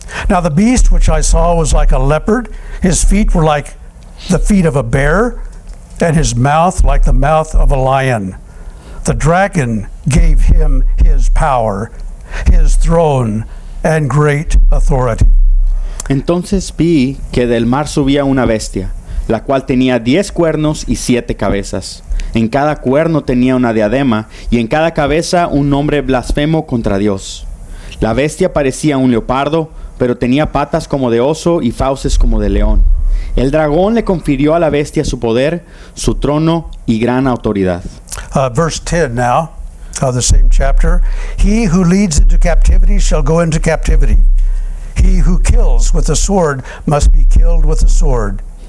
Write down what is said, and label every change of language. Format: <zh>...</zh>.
<en>Now the beast which I saw was like a leopard, his feet were like the feet of a bear, and his mouth like the mouth of a lion. The dragon gave him his power, his throne, and great authority.</en> <es>Entonces vi que del mar subía una bestia, la cual tenía 10 cuernos y 7 cabezas. En cada cuerno tenía una diadema, y en cada cabeza un nombre blasfemo contra Dios. La bestia parecía un leopardo, pero tenía patas como de oso y fauces como de león. El dragón le confirió a la bestia su poder, su trono y gran autoridad.</es> <en>Verse 10 now, of the same chapter. He who leads into captivity shall go into captivity. He who kills with the sword must be killed with the sword.</en>